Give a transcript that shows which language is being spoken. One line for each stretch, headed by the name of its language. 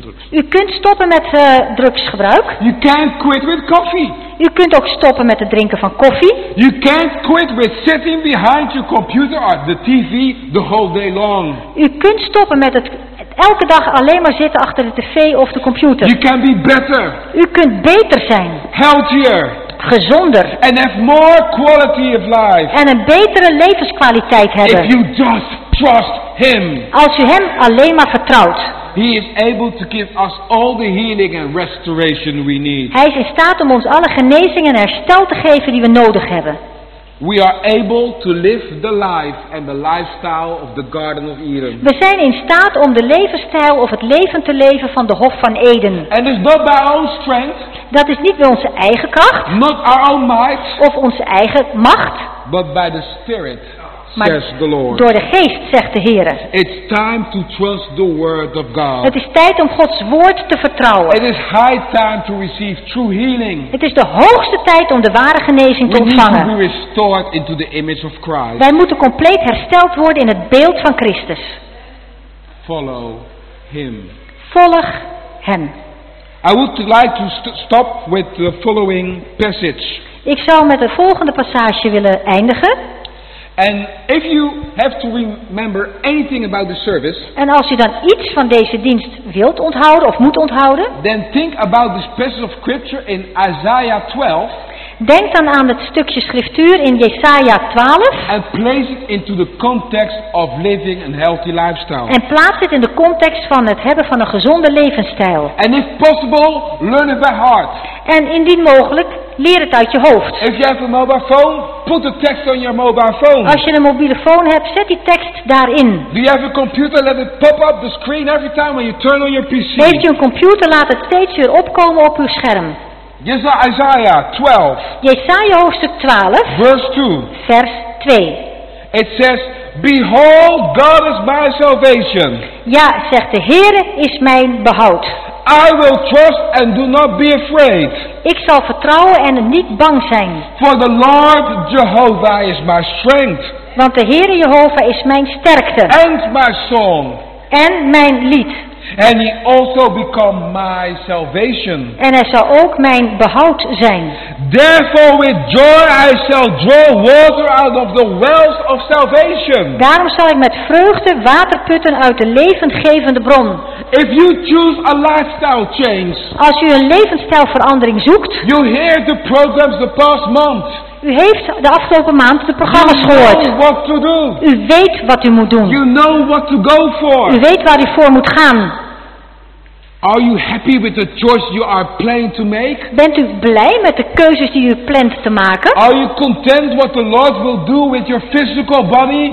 Dutch: U kunt stoppen met drugsgebruik.
English: You can't quit with coffee.
Dutch: U kunt ook stoppen met het drinken van koffie.
English: You can't quit with sitting behind your computer or the TV the whole day long.
Dutch: U kunt stoppen met het elke dag alleen maar zitten achter de tv of de computer.
English: You can be better.
Dutch: U kunt beter zijn.
English: Healthier.
Dutch: Gezonder.
English: And have more quality of life.
Dutch: En een betere levenskwaliteit hebben.
English: If you just trust him.
Dutch: Als u hem alleen maar vertrouwt.
English: He is able to give us all the healing and restoration we need.
Dutch: Hij is in staat om ons alle genezing en herstel te geven die we nodig hebben.
English: We are able to live the life and the lifestyle of the Garden of Eden.
Dutch: We zijn in staat om de levensstijl of het leven te leven van de Hof van Eden.
English: And it's not by our own strength.
Dutch: Dat is niet door onze eigen kracht.
English: Not our own might.
Dutch: Of onze eigen macht.
English: But by the Spirit.
Dutch: Maar door de Geest, zegt de Heere.
English: It's time to trust the word of God.
Dutch: Het is tijd om Gods woord te vertrouwen.
English: It is high time to receive true healing.
Dutch: Het is de hoogste tijd om de ware genezing te ontvangen.
English: We need to be restored into the image of Christ.
Dutch: Wij moeten compleet hersteld worden in het beeld van Christus.
English: Follow him.
Dutch: Volg hem.
English: I would like to stop with the following passage.
Dutch: Ik zou met de volgende passage willen eindigen.
English: And if you have to remember anything about the service,
Dutch: en als je dan iets van deze dienst wilt onthouden of moet onthouden,
English: then think about this passage of scripture in Isaiah 12.
Dutch: Denk dan aan het stukje schriftuur in Jesaja 12.
English: And place it into the context of living a healthy lifestyle.
Dutch: En plaats het in de context van het hebben van een gezonde levensstijl.
English: And if possible, learn it by heart.
Dutch: En indien mogelijk, leer het uit je hoofd.
English: If you have a mobile phone, put the text on your mobile phone.
Dutch: Als je een mobiele phone hebt, zet die tekst daarin.
English: Do you have a computer? Let it pop up the screen every time when you turn on your PC.
Dutch: Heeft je een computer? Laat het steeds weer opkomen op uw scherm.
English: Isaiah 12.
Dutch: Jesaja hoofdstuk 12.
English: Verse 2.
Dutch: Vers 2.
English: It says, behold, God is my salvation.
Dutch: Ja, zegt de Heere is mijn behoud.
English: I will trust and do not be afraid.
Dutch: Ik zal vertrouwen en niet bang zijn.
English: For the Lord Jehovah is my strength.
Dutch: Want de Heere Jehovah is mijn sterkte.
English: And my song.
Dutch: En mijn lied.
English: And he also become my salvation.
Dutch: En hij zal ook mijn behoud zijn.
English: Therefore with joy I shall draw water out of the wells of salvation.
Dutch: Daarom zal ik met vreugde water putten uit de levendgevende bron.
English: If you choose a lifestyle change.
Dutch: Als u een levensstijlverandering zoekt.
English: You hear the programs the past month.
Dutch: U heeft de afgelopen maand de programma's gehoord.
English: You know what to do.
Dutch: U weet wat u moet doen.
English: You know what to go for.
Dutch: U weet waar u voor moet gaan.
English: Are you happy with the choice you are planning to make?
Dutch: Bent u blij met de keuzes die u plant te maken?
English: Are you content what the Lord will do with your physical body?